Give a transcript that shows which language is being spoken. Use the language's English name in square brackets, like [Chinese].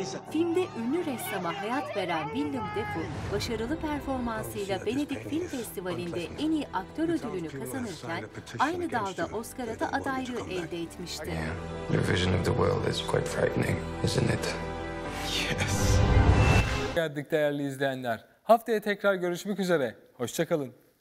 [Turkish] Filmde ünlü ressama hayat veren Willem Dafoe, başarılı performansıyla Venedik Film Festivali'nde en iyi aktör ödülünü kazanırken aynı dalda Oscar'a da adaylığı elde etmişti. [English] Your vision of the world is quite frightening, isn't it? Yes. [Turkish] Geldik değerli izleyenler. Haftaya tekrar görüşmek üzere. Hoşça kalın.